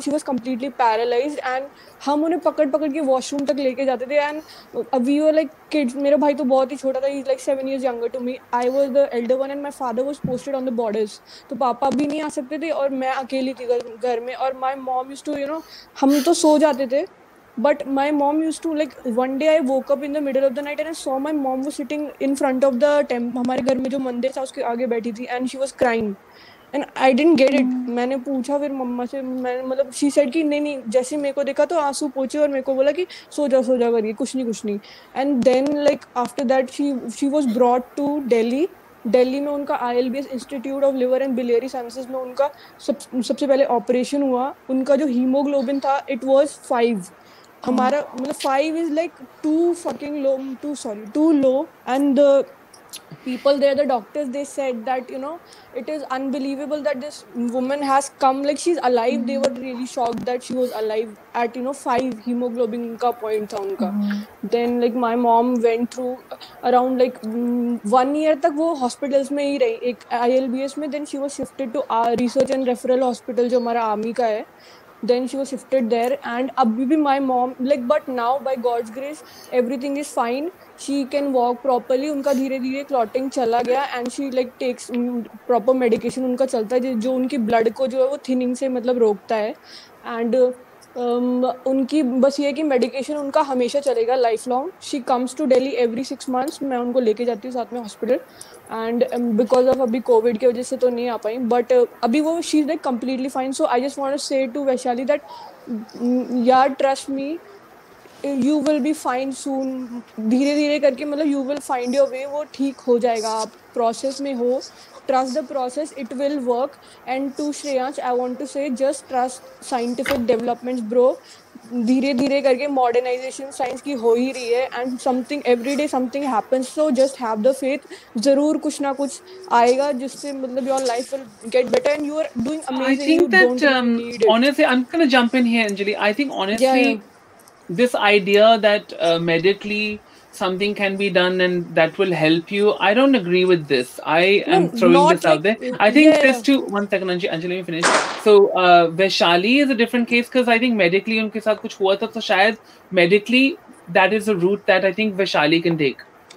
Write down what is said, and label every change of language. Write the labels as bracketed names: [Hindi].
[English] she was completely paralyse and [Hindi] हम उन्हें पकड़ पकड़ के वॉशरूम तक लेके जाते थे. [English] And we were like kids. [Hindi] मेरा भाई तो बहुत ही छोटा था. [English] Is like 7 years younger to me. I was the elder one and my father was posted on the borders. [Hindi] तो पापा भी नहीं आ सकते थे और मैं अकेली थी घर में. [English] और my mom use to you know [Hindi] हम तो सो जाते थे. [English] But my mom used to like one day I woke up in the middle of the night and I saw my mom was sitting in front of the temple. [Hindi] हमारे घर में जो मंदिर था उसके आगे बैठी थी [English] and she was crying and I didn't get it. [Hindi] मैंने पूछा फिर मम्मा से. मैंने मतलब [English] she said [Hindi] कि नहीं नहीं जैसे मेरे को देखा तो आंसू पोंछे और मेरे को बोला कि सो जा करिए कुछ नहीं कुछ नहीं. [English] And then like after that she was brought to Delhi. [Hindi] Delhi में उनका ILBS institute of liver and biliary sciences में उनका सबसे पहले ऑपरेशन हुआ. [English] उनका जो हीमोग्लोबिन था इट वॉज 5. हमारा मतलब 5 is like too low. And the people there the doctors they said that you know it is unbelievable that this woman has come like she is alive. They were really shocked that she was alive at you know 5. [Hindi] Haemoglobin का point था उनका. [English] then like my mom went through around like 1 year [Hindi] तक वो hospitals में ही रही एक ILBS में. [English] then she was shifted to research and referral hospital [Hindi] जो हमारा आर्मी का है. [English] Then she was shifted there and [Hindi] abhi bhi [English] my mom like but now by God's grace everything is fine. She can walk properly. [Hindi] Unka dheere dheere clotting chala gaya [English] and she like takes proper medication. [Hindi] Unka chalta hai jo unki blood ko jo hai wo thinning se matlab rokta hai. And उनकी बस ये कि medication उनका हमेशा चलेगा life long. [English] She comes to Delhi every 6 months. [Hindi] मैं उनको लेके जाती हूँ साथ में हॉस्पिटल. एंड बिकॉज ऑफ अभी कोविड की वजह से तो नहीं आ पाई बट अभी वो [English] She is like completely fine. So I just want to say to Vaishali that यार trust me you will be fine soon. [Hindi] धीरे धीरे करके मतलब [English] You will find your way. [Hindi] वो ठीक हो जाएगा. आप प्रोसेस में हो. [English] Trust the process, it will work. And to Shreyansh, I want to say, just trust scientific developments, bro. [Hindi] धीरे धीरे करके मॉडर्नाइजेशन साइंस की हो ही रही है. [English] And something every day something happens. So just have the faith. [Hindi] जरूर कुछ ना कुछ आएगा जिससे मतलब [English] Your life will get better and you are doing amazing. I think that honestly I am gonna jump in here Anjali. I think honestly this idea that immediately something can be done and that will help you. I don't agree with this. I am throwing this out there. I think this too. One second, Anjali, let me finish. So, Vaishali is a different case because I think medically [Hindi] unke saath kuch hua tha, so shayad [English] medically that is a route that I think Vaishali can take.